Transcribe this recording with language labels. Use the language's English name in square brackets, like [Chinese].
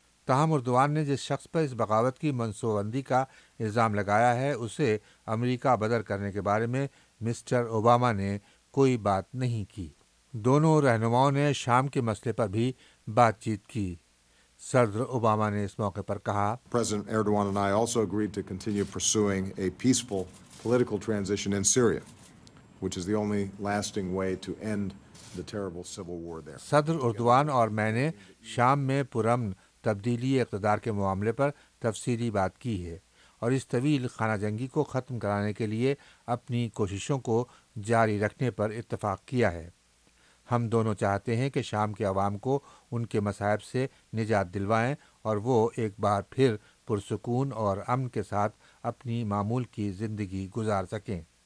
[Urdu] تاہم اردوان نے جس شخص پر اس بغاوت کی منصوبہ بندی کا الزام لگایا ہے اسے امریکہ بدر کرنے کے بارے میں مسٹر اوباما نے کوئی بات نہیں کی. دونوں رہنماؤں نے شام کے مسئلے پر بھی بات چیت کی. صدر اوباما نے اس موقع پر کہا [English] President Erdogan and I also agreed to continue pursuing a peaceful political transition in Syria, which is the only lasting way to end the terrible civil war there. [Urdu] صدر اردوان اور میں نے شام میں پرامن تبدیلی اقتدار کے معاملے پر تفصیلی بات کی ہے اور اس طویل خانہ جنگی کو ختم کرانے کے لیے اپنی کوششوں کو جاری رکھنے پر اتفاق کیا ہے. ہم دونوں چاہتے ہیں کہ شام کے عوام کو ان کے مصائب سے نجات دلوائیں اور وہ ایک بار پھر پرسکون اور امن کے ساتھ اپنی معمول کی زندگی گزار سکیں.